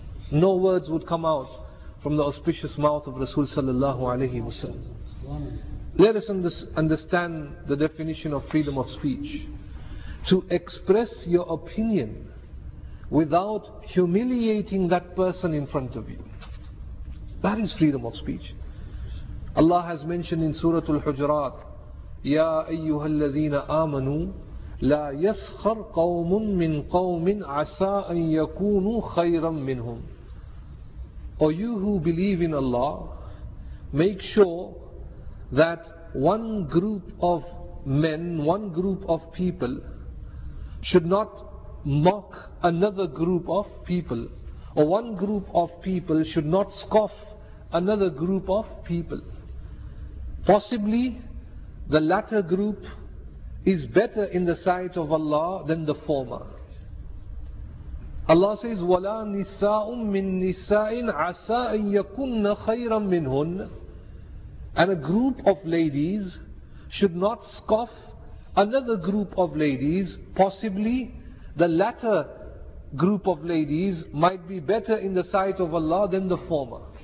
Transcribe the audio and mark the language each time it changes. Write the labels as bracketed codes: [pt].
[en] No words would come out from the auspicious mouth of Rasul sallallahu alayhi wa sallam. Let us understand the definition of freedom of speech. To express your opinion without humiliating that person in front of you. That is freedom of speech. Allah has mentioned in Surah Al-Hujurat, [ar] يَا أَيُّهَا الَّذِينَ آمَنُوا لَا يَسْخَرْ قَوْمٌ مِّن قَوْمٍ عَسَىٰ أَن يَكُونُوا خَيْرًا مِّنْهُمْ. [en] O you who believe in Allah, make sure that one group of men, one group of people, should not mock another group of people, or one group of people should not scoff another group of people. Possibly the latter group is better in the sight of Allah than the former. Allah says, [ar] وَلَا نِسَاءٌ مِّن نِسَاءٍ عَسَىٰ أَن يَكُنَّ خَيْرًا مِّنْهُنَّ. [en] And a group of ladies should not scoff another group of ladies. Possibly the latter group of ladies might be better in the sight of Allah than the former.